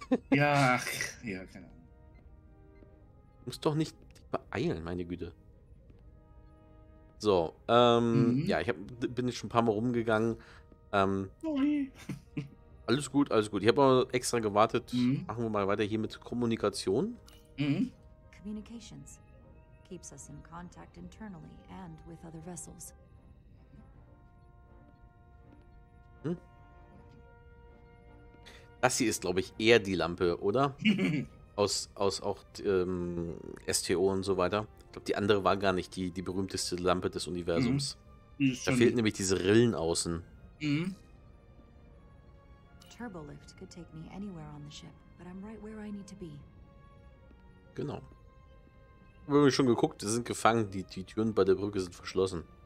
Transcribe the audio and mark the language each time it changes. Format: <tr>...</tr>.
<de>Ja, ach, ja, keine Ahnung. Du musst doch nicht beeilen, meine Güte. So, ja, ich bin jetzt schon ein paar Mal rumgegangen. Alles gut, alles gut. Ich habe aber extra gewartet. Machen wir mal weiter hier mit Kommunikation.</de> <en>Communications keeps us in contact internally and with other vessels.</en> <de>Das hier ist, glaube ich, eher die Lampe, oder? aus auch STO und so weiter. Ich glaube, die andere war gar nicht die berühmteste Lampe des Universums. Da fehlt nämlich diese Rillen außen.</de> <en>Turbolift could take me anywhere on the ship, but I'm right where I need to be.</en> <de>Genau. Wir haben schon geguckt, wir sind gefangen, die Türen bei der Brücke sind verschlossen.</de>